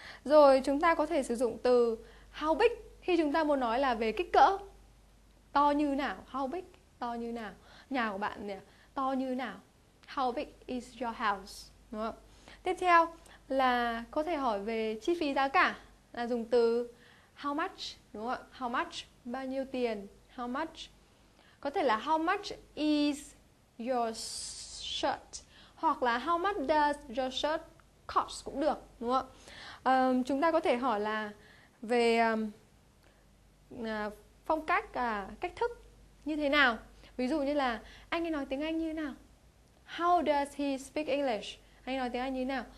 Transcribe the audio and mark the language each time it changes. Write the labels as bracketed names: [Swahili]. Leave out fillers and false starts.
[Vietnamese] Rồi chúng ta có thể sử dụng từ how big khi chúng ta muốn nói là về kích cỡ. To như nào? [English] How big? [Vietnamese] To như nào? Nhà của bạn này, to như nào? [English] How big is your house? [Vietnamese] Đúng không? Tiếp theo là có thể hỏi về chi phí giá cả, là dùng từ how much, đúng không ạ? [English] How much? [Vietnamese] Bao nhiêu tiền? [English] How much? [Vietnamese] Có thể là [English] how much is your shirt? [Vietnamese] Hoặc là [English] how much does your shirt cost [Vietnamese] cũng được, đúng không ạ? Chúng ta có thể hỏi là về phong cách, cách thức như thế nào? Ví dụ như là anh ấy nói tiếng Anh như thế nào? [English] How does he speak English? [Vietnamese] Anh ấy nói tiếng Anh như thế nào?